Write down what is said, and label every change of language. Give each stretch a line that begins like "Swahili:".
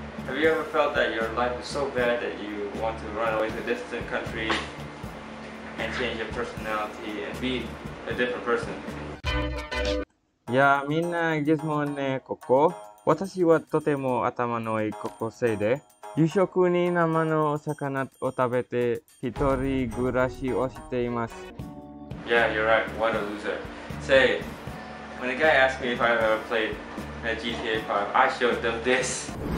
English: Have you ever felt that your life is so bad that you want to run away to a distant country and change your personality and be a different person?
Japanese: Yeah, みんな、Gizmo ね、ここ。私はとても頭のいい高校生で、夕食に生のお魚を食べて一人暮らしをしています。
English: Yeah, you're right. What a loser. Say, when a guy asked me if I've ever played a GTA 5, I showed them this.